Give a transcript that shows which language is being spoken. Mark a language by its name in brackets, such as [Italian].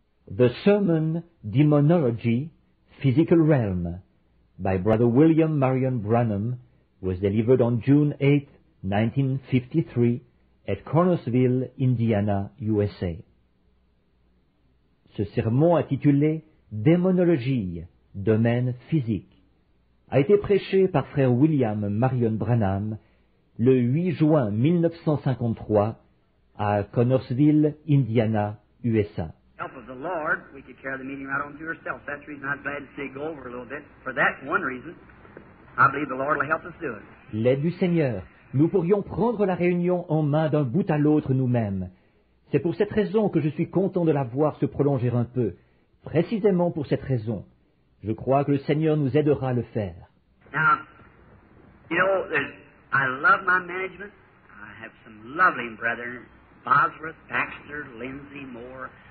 [English] The Sermon, Demonology, Physical Realm, by Brother William Marion Branham, was delivered on June 8, 1953, at Cornersville, Indiana, USA. [French] Ce sermon intitulé « Démonologie, domaine physique » a été prêché par Frère William Marion Branham le 8 juin 1953 à Cornersville, Indiana, USA. [English] Help of the Lord, we could carry the meeting right on to yourself. That's the reason I'm glad to see you go over a little bit. For that one reason, I believe the Lord will help us do it. [French] L'aide du Seigneur, nous pourrions prendre la réunion en main d'un bout à l'autre nous-mêmes. C'est pour cette raison que je suis content de la voir se prolonger un peu. Précisément pour cette raison, je crois que le Seigneur nous aidera à le faire. [English] Now, you know, I love my management. I have some lovely brethren, Bosworth, Baxter, Lindsay, Moore.